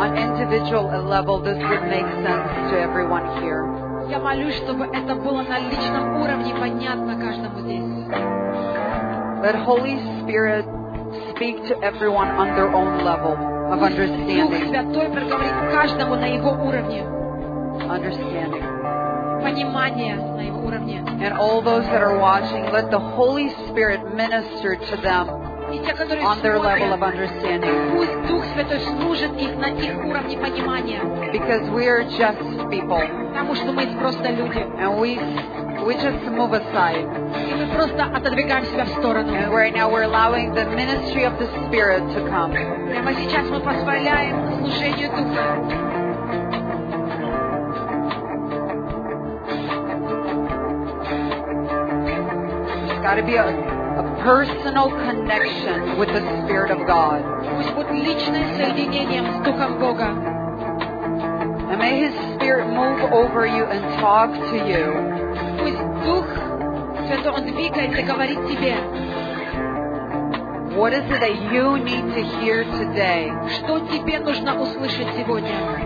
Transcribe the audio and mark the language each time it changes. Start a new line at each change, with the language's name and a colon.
English: Level, this would make sense to everyone here.
Russian: Я молюсь, чтобы это было на личном уровне понятно каждому здесь.
English: Let Holy Spirit speak to everyone on their own level of understanding.
Russian: Дух Святой проговорит каждому на его уровне.
English: Understanding.
Russian: Понимание на его уровне.
English: And all those that are watching, let the Holy Spirit minister to them
Russian: и те, которые
English: on their level of understanding.
Russian: Пусть Дух Святой служит их на их уровне понимания.
English: Because we are just people.
Russian: Потому что мы просто люди.
English: And we just move aside.
Russian: И мы просто отодвигаем себя в сторону.
English: And right now we're allowing the ministry of the Spirit to come.
Russian: Прямо сейчас мы позволяем служению Духа.
English: Got to be a personal connection with the Spirit of God.
Russian: Пусть будет личное соединение с Духом Бога.
English: And may His Spirit move over you and talk to you.
Russian: Пусть Дух Святой двигается и говорит тебе.
English: What is it that you need to hear today?
Russian: Что тебе нужно услышать сегодня?